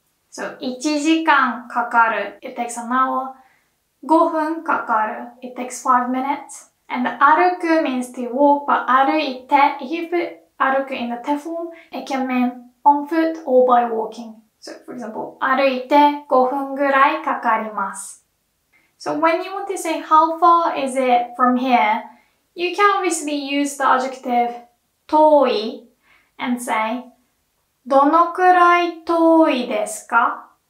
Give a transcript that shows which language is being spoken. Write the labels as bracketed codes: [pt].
[en] So 1時間かかる。 It takes an hour. 5分かかる。 It takes 5 minutes. And 歩く means to walk, but 歩いて、if you put 歩く in the te form, it can mean on foot or by walking.So, for example, [ja] 歩いて5分ぐらいかかります。 [en] So when you want to say how far is it from here, you can obviously use the adjective 遠い and say どのくらい遠いですか?